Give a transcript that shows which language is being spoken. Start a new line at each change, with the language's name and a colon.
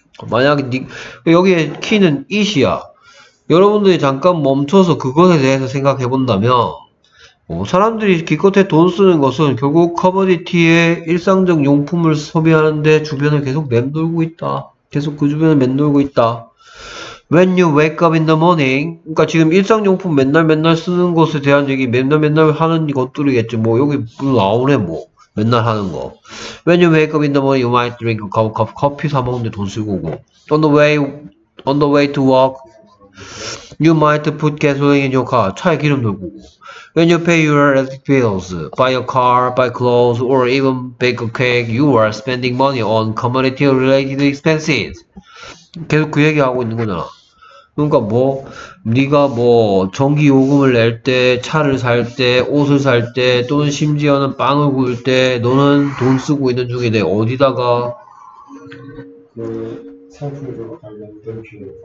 Korean: 만약에 여기에 키는 it이야. 여러분들이 잠깐 멈춰서 그것에 대해서 생각해 본다면 사람들이 기껏해 돈 쓰는 것은 결국 커머디티의 일상적 용품을 소비하는데 주변을 계속 맴돌고 있다. 계속 그 주변을 맴돌고 있다.
English: When you wake up in the morning,
Korean: 그러니까 지금 일상용품 맨날 쓰는 것에 대한 얘기 맨날 하는 것들이겠지. 뭐 여기 나오네 뭐 맨날 하는 거.
English: When you wake up in the morning, you might drink a cup of coffee.
Korean: 커피 사 먹는데 돈 쓰고 오고.
English: On the way to work, you might put gasoline in your car.
Korean: 차에 기름 넣고.
English: When you pay your electric bills, buy a car, buy clothes, or even bake a cake, you are spending money on commodity-related expenses.
Korean: 계속 그 얘기하고 있는 거잖아. 그러니까 뭐 네가 뭐 전기 요금을 낼 때, 차를 살 때, 옷을 살 때, 또는 심지어는 빵을 구울 때 너는 돈 쓰고 있는 중인데 어디다가 그 상품과 관련된 비용,